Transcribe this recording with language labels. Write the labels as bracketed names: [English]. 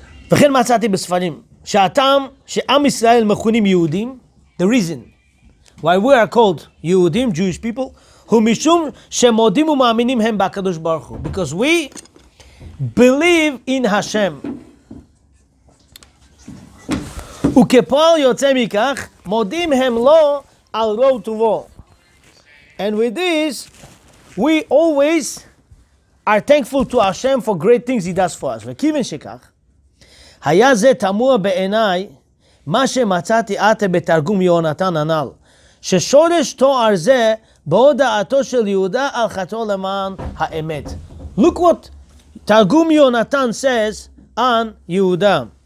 [Hebrew] וכן מצאתי בספרים שהטעם שעם ישראל מכונים יהודים, [English] the reason why we are called [Hebrew] יהודים, [English] Jewish people, [Hebrew] הוא משום שמודים ומאמינים הם בקדוש ברוך הוא. [English] Because we believe in Hashem. [Hebrew] וכפועל יוצא מכך, מודים הם לו על רוב טובו. [English] And with this, we always are thankful to Hashem for great things he does for us. [Hebrew] וכיוון שכך, היה זה תמוה בעיניי מה שמצאתי עתה בתרגום יונתן הנ"ל, ששורש תואר זה בהודעתו של יהודה על חטאו למען האמת. [English] Look what תרגום יונתן says on יהודה.